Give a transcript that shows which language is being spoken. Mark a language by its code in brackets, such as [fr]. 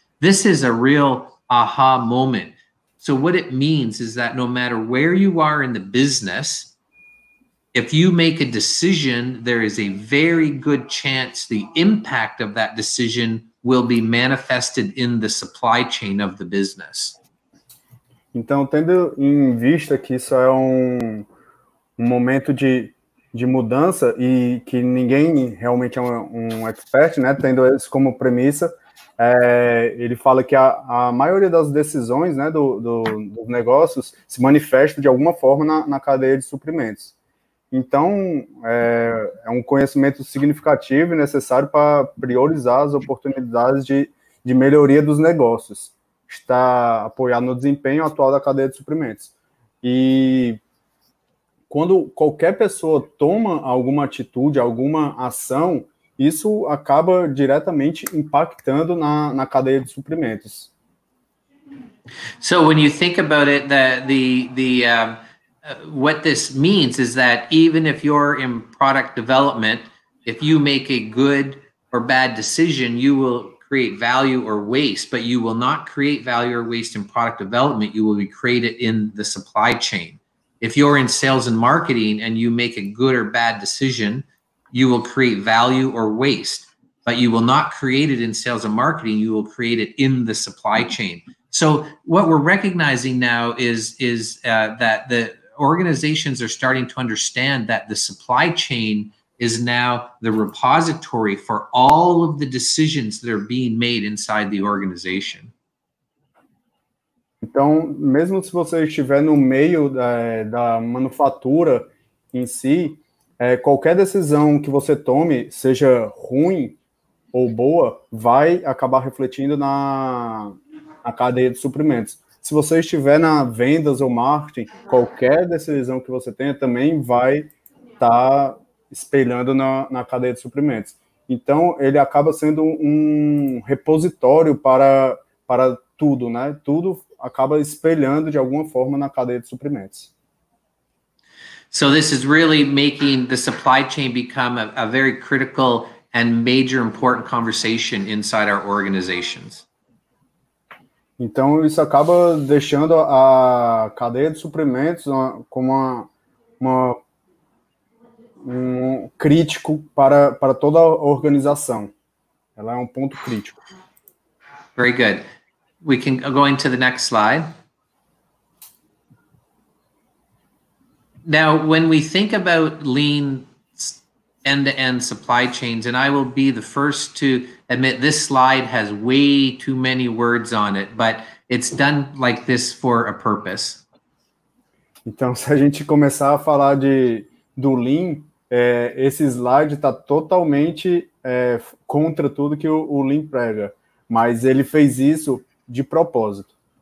[en] This is a real aha moment. So what it means is that no matter where you are in the business, if you make a decision, there is a very good chance the impact of that decision will be manifested in the supply chain of the business. [pt] Então, tendo em vista que isso é um momento de mudança e que ninguém realmente é um expert, né, tendo isso como premissa, ele fala que a maioria das decisões, né, dos negócios se manifesta de alguma forma na cadeia de suprimentos. Então, é um conhecimento significativo e necessário para priorizar as oportunidades de melhoria dos negócios. Está apoiado no desempenho atual da cadeia de suprimentos. E quando qualquer pessoa toma alguma atitude, alguma ação, isso acaba diretamente impactando na cadeia de suprimentos. [en] So, when you think about it, what this means is that even if you're in product development, if you make a good or bad decision, you will create value or waste, but you will not create value or waste in product development. You will be created in the supply chain. If you're in sales and marketing and you make a good or bad decision, you will create value or waste, but you will not create it in sales and marketing. You will create it in the supply chain. So what we're recognizing now is that the organizations are starting to understand that the supply chain is now the repository for all of the decisions that are being made inside the organization. [pt] Então, mesmo se você estiver no meio da manufatura em si, qualquer decisão que você tome, seja ruim ou boa, vai acabar refletindo na cadeia de suprimentos. Se você estiver na vendas ou marketing, qualquer decisão que você tenha também vai estar espelhando na cadeia de suprimentos. Então, ele acaba sendo um repositório para tudo, né? Tudo acaba espelhando de alguma forma na cadeia de suprimentos. [en] So this is really making the supply chain become a very critical and major important conversation inside our organizations. [pt] Então isso acaba deixando a cadeia de suprimentos como um crítico para toda a organização. Ela é um ponto crítico. [en] Very good. We can go into the next slide. Now, when we think about lean end-to-end supply chains, and I will be the first to admit this slide has way too many words on it, but it's done like this for a purpose. [pt] Então, se a gente começar a falar do lean, esse slide está totalmente contra tudo que o lean prega, mas ele fez isso de propósito.